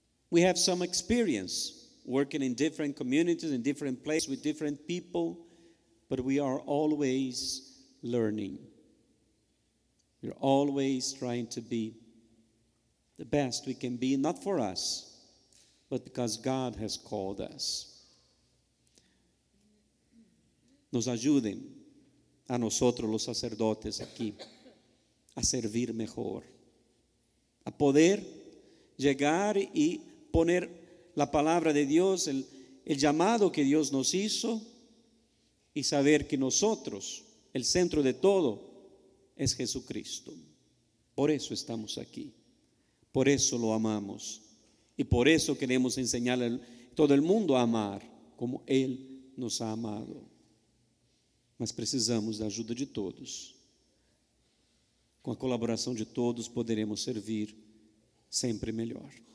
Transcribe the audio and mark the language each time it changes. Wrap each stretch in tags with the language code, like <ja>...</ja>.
<en>We have some experience working in different communities, in different places, with different people, but we are always learning. We're always trying to be the best we can be, not for us, but because God has called us.</en> <pt>Nos ajudem</pt> <es>a nosotros, los sacerdotes aquí, a servir mejor, a poder llegar y poner la palabra de Dios, el llamado que Dios nos hizo, y saber que nosotros, el centro de todo, es Jesucristo. Por eso estamos aquí, por eso lo amamos, y por eso queremos enseñar a todo el mundo a amar como Él nos ha amado.</es> <pt>Mas precisamos da ajuda de todos. Com a colaboração de todos, poderemos servir sempre melhor.</pt>